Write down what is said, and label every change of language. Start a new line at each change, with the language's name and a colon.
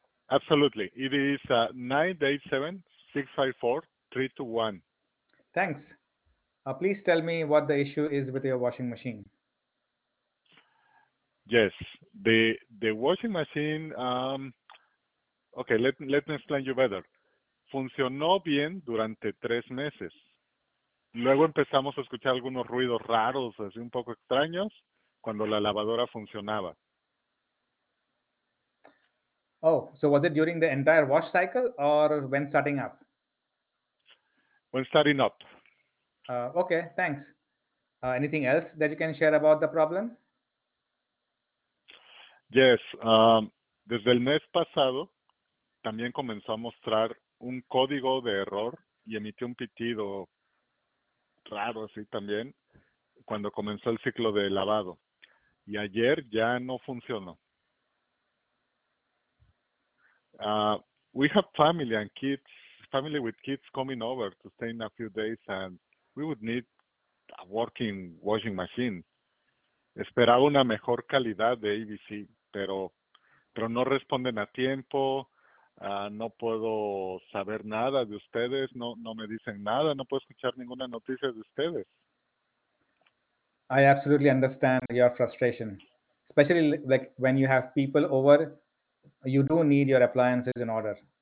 English: Absolutely. It is 987-654-321. Thanks. Please tell me what the issue is with your washing machine. Yes, the washing machine, let me explain you better.
Spanish: Funcionó bien durante 3 meses. Luego empezamos a escuchar algunos ruidos raros, así un poco extraños, cuando la lavadora funcionaba.
English: Oh, so was it during the entire wash cycle or when starting up? When starting up. Okay, thanks. Anything else that you can share about the problem?
Spanish: Yes, desde el mes pasado también comenzó a mostrar un código de error y emitió un pitido raro así también cuando comenzó el ciclo de lavado. Y ayer ya no funcionó.
English: We have family and kids, family with kids coming over to stay in a few days, and we would need a working washing machine.
Spanish: Esperaba una mejor calidad de ABC. Pero no responden a tiempo, no puedo saber nada de ustedes, no me dicen nada, no puedo escuchar ninguna noticia de ustedes.
English: I absolutely understand your frustration, especially like when you have people over, you do need your appliances in order.